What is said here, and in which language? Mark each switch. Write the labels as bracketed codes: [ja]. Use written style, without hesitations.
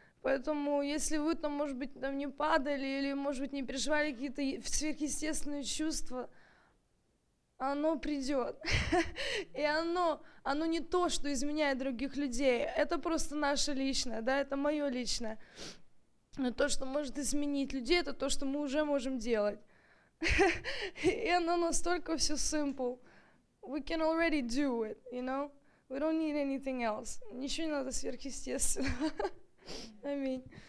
[ru] Поэтому, если вы там, может быть, там не падали, или, может быть, не переживали какие-то сверхъестественные чувства, оно придет. И оно не то, что изменяет других людей, это просто наше личное, да, это мое личное. Но то, что может изменить людей, это то, что мы уже можем делать. И оно настолько все simple. [en] We can already do it, you know? We don't need anything else. [ru] Ничего не надо сверхъестественного. Аминь.